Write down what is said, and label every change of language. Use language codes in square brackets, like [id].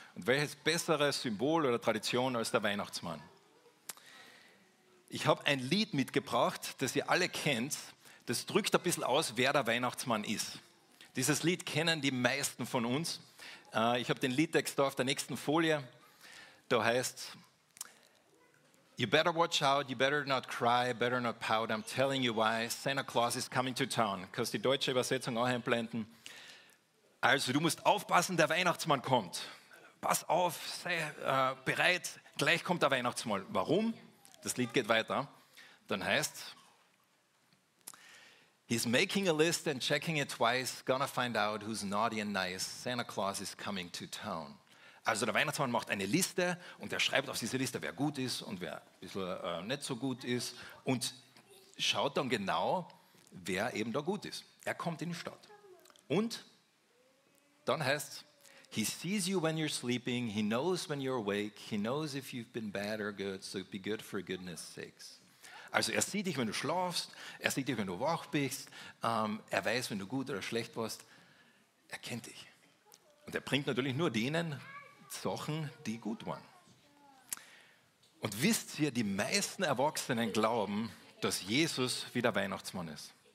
[de] Und welches besseres Symbol oder Tradition als der Weihnachtsmann? Ich habe ein Lied mitgebracht, das ihr alle kennt. Das drückt ein bisschen aus, wer der Weihnachtsmann ist. Dieses Lied kennen die meisten von uns. Ich habe den Liedtext da auf der nächsten Folie. Da heißt: [en] You better watch out, you better not cry, better not pout, I'm telling you why, Santa Claus is coming to town. [de] Kannst die deutsche Übersetzung auch einblenden. Also du musst aufpassen, der Weihnachtsmann kommt. Pass auf, sei bereit, gleich kommt der Weihnachtsmann. Warum? Das Lied geht weiter. Dann heißt: [en] He's making a list and checking it twice, gonna find out who's naughty and nice, Santa Claus is coming to town. [de] Also der Weihnachtsmann macht eine Liste und er schreibt auf diese Liste, wer gut ist und wer ein bisschen nicht so gut ist und schaut dann genau, wer eben da gut ist. Er kommt in die Stadt. Und dann heißt es: [en] He sees you when you're sleeping, he knows when you're awake, he knows if you've been bad or good, so be good for goodness sakes. [de] Also er sieht dich, wenn du schlafst, er sieht dich, wenn du wach bist, er weiß, wenn du gut oder schlecht warst, er kennt dich. Und er bringt natürlich nur denen Sachen, die gut waren. Und wisst ihr, die meisten Erwachsenen glauben, dass Jesus wieder Weihnachtsmann ist.